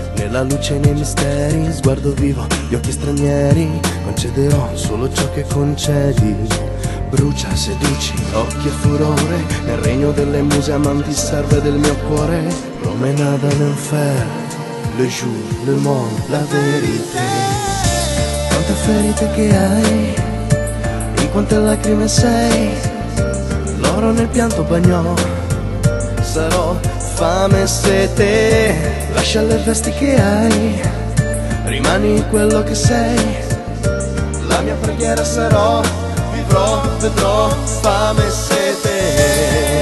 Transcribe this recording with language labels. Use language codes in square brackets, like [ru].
[it] La luce nei misteri, sguardo vivo, gli occhi stranieri, concederò solo ciò che concedi. Brucia, seduci, occhi a furore, nel regno delle muse amanti serve del mio cuore. [fr] Promenade en enfer, le jour, le monde, la vérité. [it] Quante ferite che hai, in quante lacrime sei, l'oro nel pianto bagnò, sarò fame e sete. Lascia le vesti che hai, rimani quello che sei, la mia preghiera sarò, vivrò, vedrò, fame e sete.